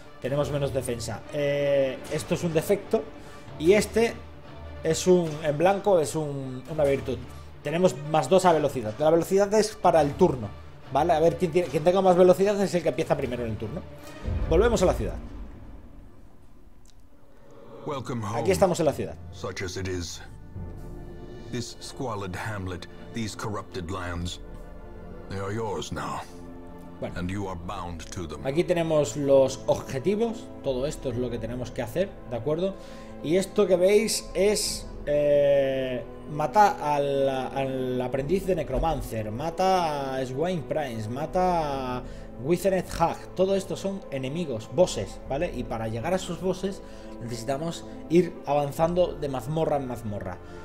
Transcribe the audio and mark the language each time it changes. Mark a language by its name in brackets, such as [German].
[Spanish] Tenemos menos defensa. Esto es un defecto. Y este... es un... en blanco es una virtud. Tenemos más 2 a velocidad. La velocidad es para el turno, ¿vale? A ver, quien tenga más velocidad es el que empieza primero en el turno. Volvemos a la ciudad. Aquí estamos en la ciudad. [English] Such as it is. This squalid hamlet, these corrupted lands, they are yours now. And you are bound to them. [Spanish] Aquí tenemos los objetivos. Todo esto es lo que tenemos que hacer, ¿de acuerdo? Y esto que veis es mata al aprendiz de Necromancer, mata a Swain Primes, mata a Withered Hag. Todo esto son enemigos, bosses, ¿vale? Y para llegar a esos bosses necesitamos ir avanzando de mazmorra en mazmorra.